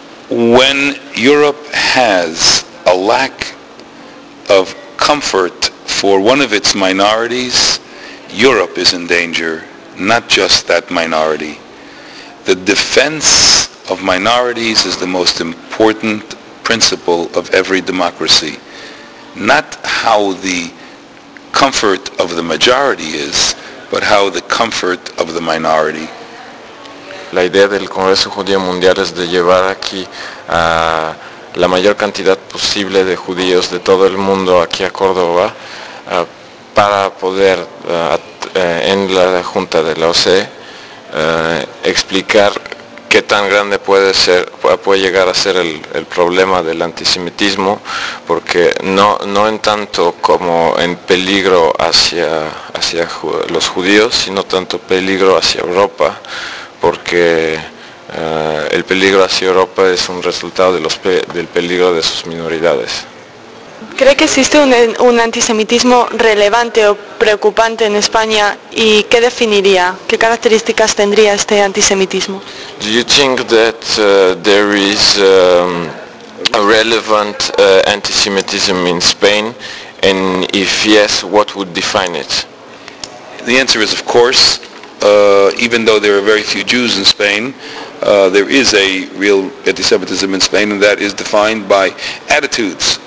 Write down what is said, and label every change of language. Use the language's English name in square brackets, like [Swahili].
[English] When Europe has a lack of comfort for one of its minorities, Europe is in danger, not just that minority. The defense of minorities is the most important principle of every democracy. Not how the comfort of the majority is, but how the comfort of the minority. [Spanish] La idea del Congreso Judío Mundial es de llevar aquí a la mayor cantidad posible de judíos de todo el mundo aquí a Córdoba para poder en la junta de la OCE explicar qué tan grande puede llegar a ser el problema del antisemitismo, porque no en tanto como en peligro hacia los judíos, sino tanto peligro hacia Europa, porque el peligro hacia Europa es un resultado del peligro de sus minoridades. ¿Cree que existe un antisemitismo relevante o preocupante en España y qué definiría, qué características tendría este antisemitismo? [English] Do you think that there is a relevant antisemitism in Spain, and if yes, what would define it? The answer is of course, even though there are very few Jews in Spain, there is a real antisemitism in Spain, and that is defined by attitudes.